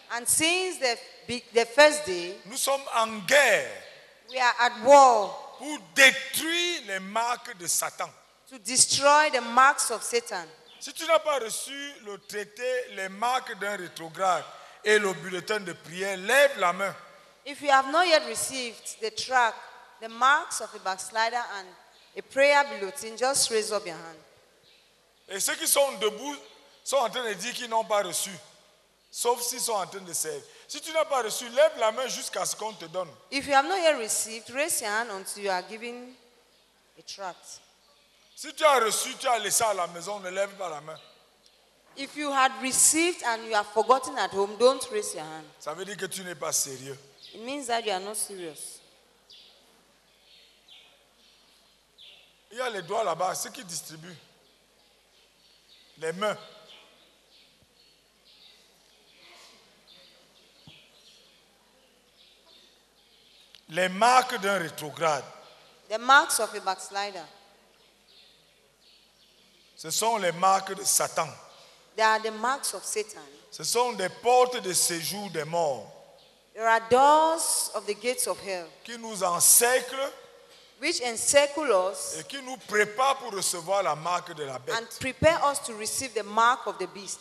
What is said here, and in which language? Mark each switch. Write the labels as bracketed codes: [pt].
[en] and since the first day, [fr] nous sommes en guerre. [en] We are at war. [fr] Pour détruire les marques de Satan. [en] To destroy the marks of Satan. [fr] Si tu n'as pas reçu le traité Les marques d'un rétrograde et le bulletin de prière, lève la main. [en] If you have not yet received the tract, The Marks of a Backslider and a prayer bulletin, just raise up your hand. [fr] Et ceux qui sont debout sont en train de dire qu'ils n'ont pas reçu, sauf s'ils sont en train de servir. Si tu n'as pas reçu, lève la main jusqu'à ce qu'on te donne. [en] If you have not yet received, raise your hand until you are given a tract. [fr] Si tu as reçu, tu as laissé à la maison, ne lève pas la main. [en] If you had received and you have forgotten at home, don't raise your hand. [fr] Ça veut dire que tu n'es pas sérieux. [en] It means that you are not serious. [fr] Il y a les doigts là-bas, ceux qui distribuent. Les mains. Les marques d'un rétrograde. [en] The marks of a backslider. [fr] Ce sont les marques de Satan. [en] They are the marks of Satan. [fr] Ce sont des portes de séjour des morts. [en] There are doors of the gates of hell. [fr] Qui nous encerclent. [en] Which encircle us, [fr] et qui nous prépare pour recevoir la marque de la bête. [en] And prepare us to receive the mark of the beast.